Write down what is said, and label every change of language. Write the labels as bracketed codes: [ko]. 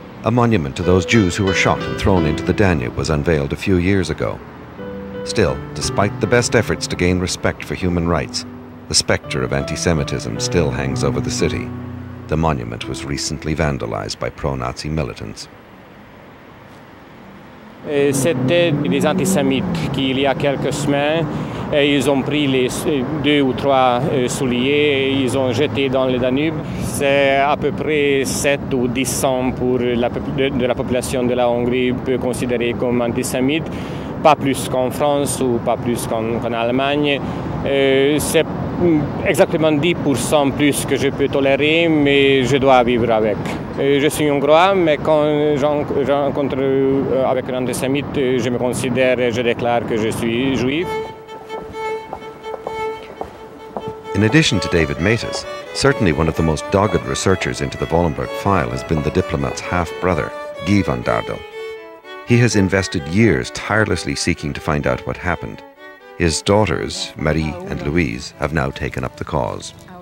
[en] A monument to those Jews who were shot and thrown into the Danube was unveiled a few years ago. Still, despite the best efforts to gain respect for human rights, the specter of anti-Semitism still hangs over the city. The monument was recently vandalized by pro-Nazi militants. [fr] C'était des antisémites qui, il y a quelques semaines, et ils ont pris les deux ou trois souliers et ils ont jeté dans le Danube. C'est à peu près 7 ou 10 ans pour la population de la Hongrie peut considérer comme antisémite, pas plus qu'en France ou pas plus qu'en Allemagne. C'est exactement 10% plus que je peux tolérer, mais je dois vivre avec. Je suis hongrois, mais quand je rencontre avec un antisémite, je me considère et je déclare que je suis juif. [en] In addition to David Matus, certainly one of the most dogged researchers into the Wallenberg file has been the diplomat's half-brother, Guy van Dardel. He has invested years tirelessly seeking to find out what happened. His daughters, Marie and Louise, have now taken up the cause.